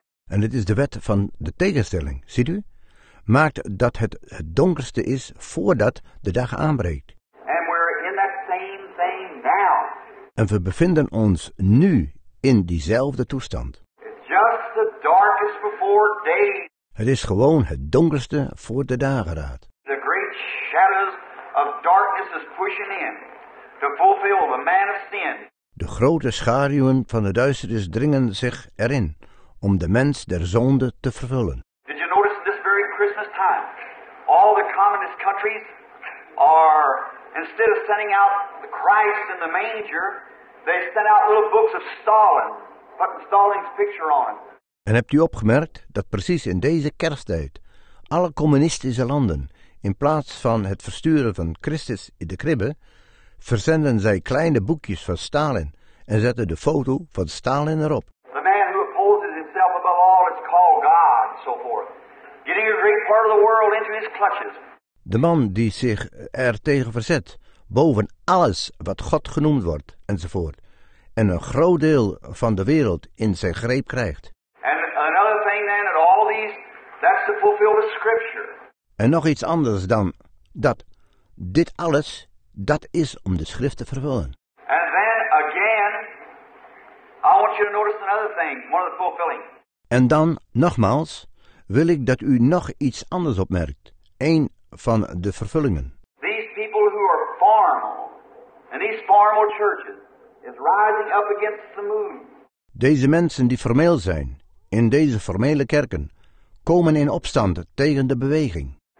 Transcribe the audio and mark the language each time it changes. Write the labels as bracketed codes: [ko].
[nl] En het is de wet van de tegenstelling, ziet u? Maakt dat het het donkerste is voordat de dag aanbreekt. [en] And we're in that same thing now. [nl] En we bevinden ons nu in diezelfde toestand. [en] Just the darkest before day. [nl] Het is gewoon het donkerste voor de dageraad. [en] The great shadows of darkness is pushing in to fulfill the man of sin. [nl] De grote schaduwen van de duisternis dringen zich erin om de mens der zonde te vervullen. [en] Did you notice this very Christmas time? All the communist countries are, instead of sending out the Christ in the manger, they sent out little books of Stalin, putting Stalin's picture on. [nl] En hebt u opgemerkt dat precies in deze kersttijd alle communistische landen, in plaats van het versturen van Christus in de kribbe, verzenden zij kleine boekjes van Stalin en zetten de foto van Stalin erop. [en] The man who opposes himself above all is called God, so forth. Getting a great part of the world into his clutches. [nl] De man die zich ertegen verzet, boven alles wat God genoemd wordt, enzovoort, en een groot deel van de wereld in zijn greep krijgt. [en] And another thing then, that all these, that's to fulfill the scripture. [nl] En nog iets anders dan dat dit alles. Dat is om de schrift te vervullen. [en] And then again, I want you to notice another thing, one of the fulfilling. [nl] En dan, nogmaals, wil ik dat u nog iets anders opmerkt. Een van de vervullingen. [en] These people who are formal, and these formal churches, is rising up against the moon. [nl] Deze mensen die formeel zijn, in deze formele kerken, komen in opstand tegen de beweging.